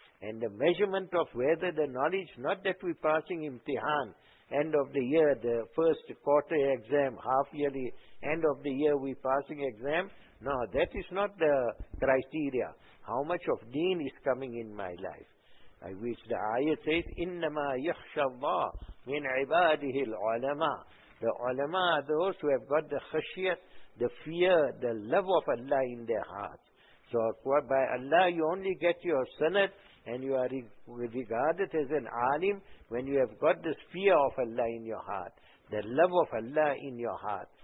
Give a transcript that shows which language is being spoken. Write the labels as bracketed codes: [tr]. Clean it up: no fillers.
[en] And the measurement of whether the knowledge, not that we're passing imtihan, end of the year, the first quarter exam, half yearly, end of the year we passing exam. No, that is not the criteria. How much of deen is coming in my life? I wish the ayah says, [ar] إِنَّمَا يَخْشَ اللَّهُ مِنْ عِبَادِهِ الْعُلَمَا. [en] The ulama are those who have got the khashiyat, the fear, the love of Allah in their hearts. So by Allah you only get your sanad, and you are regarded as an alim when you have got this fear of Allah in your heart, the love of Allah in your heart.